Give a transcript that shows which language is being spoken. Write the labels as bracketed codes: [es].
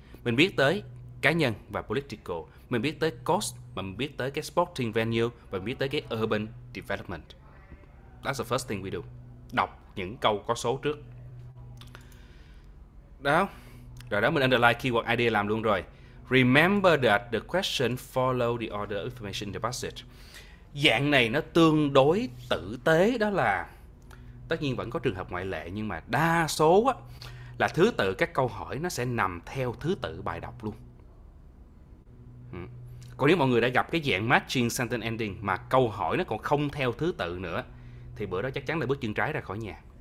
[vi] Mình biết tới cá nhân và political. Mình biết tới cost, mà mình biết tới cái sporting venue và mình biết tới cái urban development. That's the first thing we do. Đọc những câu có số trước. Đó. Rồi đó, mình underline keyword idea làm luôn rồi. [en] Remember that the question follow the order information in the passage. [vi] Dạng này nó tương đối tử tế, đó là tất nhiên vẫn có trường hợp ngoại lệ, nhưng mà đa số á, là thứ tự các câu hỏi nó sẽ nằm theo thứ tự bài đọc luôn. Còn nếu mọi người đã gặp cái dạng matching sentence ending mà câu hỏi nó còn không theo thứ tự nữa, thì bữa đó chắc chắn là bước chân trái ra khỏi nhà.